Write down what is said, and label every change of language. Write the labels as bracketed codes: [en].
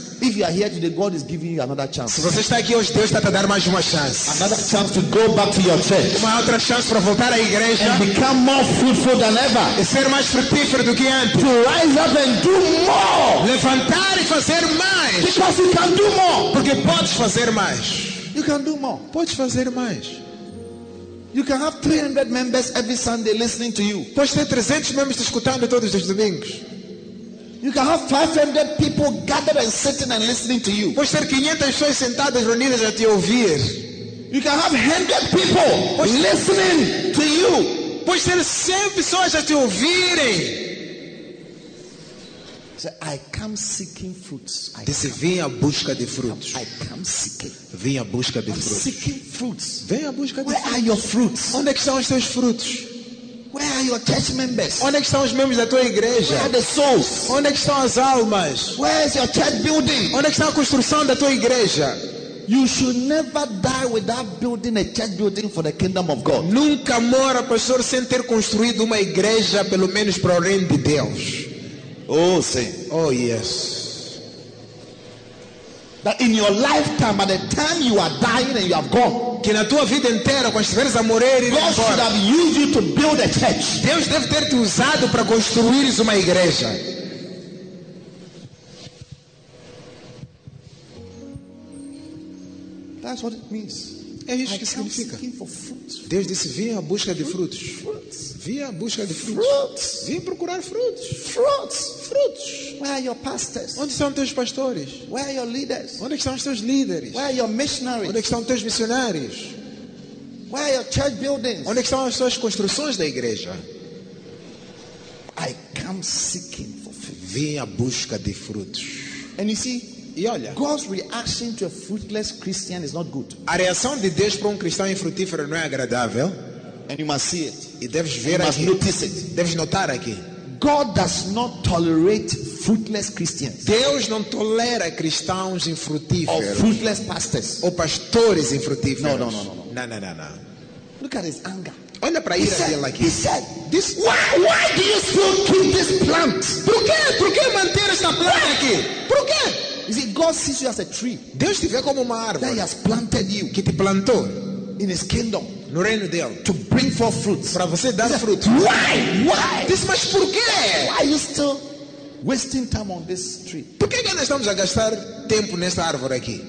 [en] If you are here today, God is giving you another chance. [pt] Se você está aqui hoje, Deus está te dando mais uma chance. [en] Another chance to go back to your church. [pt] Uma outra chance para voltar à igreja. [en] And become more fruitful than ever. [pt] E ser mais frutífero do que antes. [en] To rise up and do more. [pt] Levantar e fazer mais. [en] Because you can do more. [pt] Porque podes fazer mais. [en] You can do more. [pt] Podes fazer mais. [en] You can have 300 members every Sunday listening to you. [pt] Podes ter 300 membros te escutando todos os domingos. [en] You can have 500 people gathered and sitting and listening to you. [pt] Pode ter 500 pessoas sentadas reunidas a te ouvir. [en] You can have 100 people listening to you. [pt] Pode ter 100 pessoas a te ouvirem. [en] So I come seeking fruits. [pt] Disse, vim à busca de frutos. [en] I come seeking. [pt] Vim à busca de frutos. [en] Seeking fruits. [pt] Vem à busca de [en] Where [pt] frutos. [en] Where are your fruits? [pt] Onde é que estão os teus frutos? [en] Where are your church members? [pt] Onde estão os membros da tua igreja? [en] Where are the souls? [pt] Onde estão as almas? [en] Where is your church building? [pt] Onde está a construção da tua igreja? [en] You should never die without building a church building for the kingdom of God. [pt] Nunca mora, pastor, sem ter construído uma igreja pelo menos para o reino de Deus. Oh, sim. [en] Oh, yes. That in your lifetime, at the time you are dying and you have gone. [pt] Que na tua vida inteira, quando estiveres a morrer e [en] God should have used you to build a church. [pt] Deus deve ter te usado para construir uma igreja. [en] That's what it means. [pt] É isso que significa. [en] For [pt] Deus disse: vim à busca de frutos. Vim à busca de frutos. Vim procurar frutos. [en] Fruits. [pt] Frutos. [en] Where are your pastors? [pt] Onde estão os teus pastores? [en] Where are your leaders? [pt] Onde estão os teus líderes? [en] Where are your missionaries? [pt] Onde estão os teus missionários? [en] Where are your church buildings? [pt] Onde estão as suas construções da igreja? [en] I come seeking for fruits. [pt] Vim à busca de frutos. [en] And you see, [pt] e olha, [en] God's reaction to a fruitless Christian is not good. [pt] A reação de Deus para cristão infrutífero não é agradável. [en] And you must see it. [pt] E deves ver aqui. [en] Notice it. [pt] Deves notar aqui. [en] God does not tolerate fruitless Christians. [pt] Deus não tolera cristãos infrutíferos. [en] Or fruitless pastors. [pt] Ou pastores infrutíferos. [en] No, no, no, no, no. No, no, no, no. Look at his anger. [pt] Olha para ele aqui. [en] He said, this, why do you still keep this plant? [pt] Por quê manter esta planta aqui? Por quê? [en] You see, God sees you as a tree. [pt] Deus te vê como uma árvore. [en] That he has planted you. [pt] Que te plantou. [en] In his kingdom. [pt] No reino dele. [en] To bring forth fruits. [pt] Para você dar frutos. [en] Why? This much [pt] por quê? [en] Why are you still wasting time on this tree? [pt] Por que nós estamos a gastar tempo nesta árvore aqui?